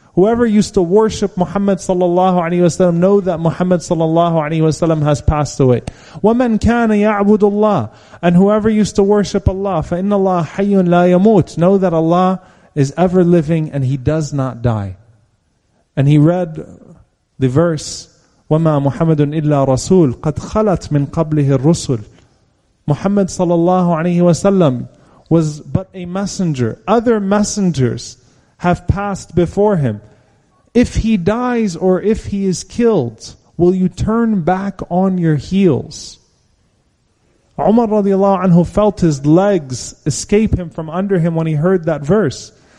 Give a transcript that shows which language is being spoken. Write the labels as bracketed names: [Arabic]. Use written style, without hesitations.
[English] Whoever used to worship Muhammad sallallahu alayhi wasallam, know that Muhammad sallallahu alayhi wasallam has passed away. [Arabic] Waman kana ya'budu Allah. [English] And whoever used to worship Allah, [Arabic] fa inna Allah hayyun la yamut. [English] Know that Allah is ever living and He does not die. And he read the verse, [Arabic] وَمَا مُحَمَّدٌ إِلَّا رَسُولٌ قَدْ خَلَتْ مِنْ قَبْلِهِ الرُّسُلُ. [English] Muhammad sallallahu alayhi wa sallam was but a messenger. Other messengers have passed before him. If he dies or if he is killed, will you turn back on your heels? Umar radiallahu anhu felt his legs escape him from under him when he heard that verse.